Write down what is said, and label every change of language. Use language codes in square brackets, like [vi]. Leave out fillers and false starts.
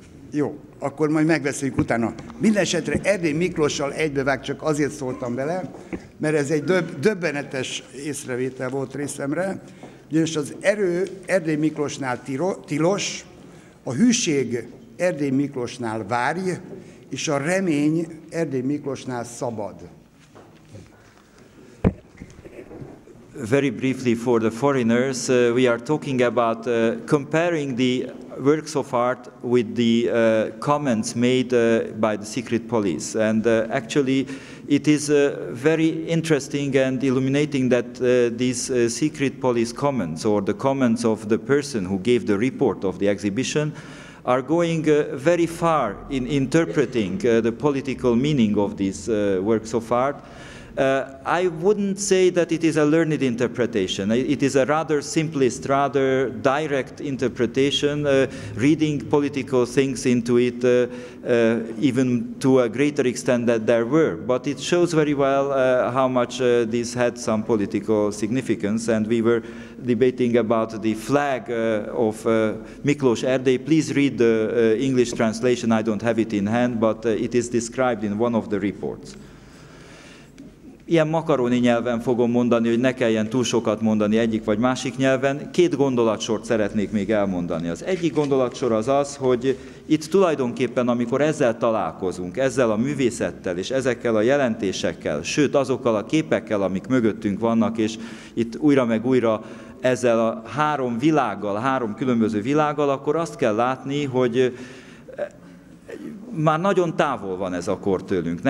[hu] Jó, akkor majd megbeszéljük utána. Mindenesetre Erdély Miklóssal egybevág, csak azért szóltam bele, mert ez egy döbbenetes észrevétel volt részemre, ugyanis az erő Erdély Miklósnál tilos, a hűség Erdély Miklósnál várj, és a remény Erdély Miklósnál szabad. [en] very briefly for the foreigners, we are talking about comparing the works of art with the comments made by the secret police. And actually, it is very interesting and illuminating that these secret police comments, or the comments of the person who gave the report of the exhibition, are going very far in interpreting the political meaning of these works of art. I wouldn't say that it is a learned interpretation. It is a rather simplist, rather direct interpretation, reading political things into it even to a greater extent than there were. But it shows very well how much this had some political significance. And we were debating about the flag of Miklós Erdély. Please read the English translation. I don't have it in hand, but it is described in one of the reports. [hu] Ilyen makaroni nyelven fogom mondani, hogy ne kelljen túl sokat mondani egyik vagy másik nyelven. Két gondolatsort szeretnék még elmondani. Az egyik gondolatsor az az, hogy itt tulajdonképpen, amikor ezzel találkozunk, ezzel a művészettel és ezekkel a jelentésekkel, sőt azokkal a képekkel, amik mögöttünk vannak, és itt újra meg újra ezzel a három világgal, három különböző világgal, akkor azt kell látni, hogy már nagyon távol van ez a kor tőlünk.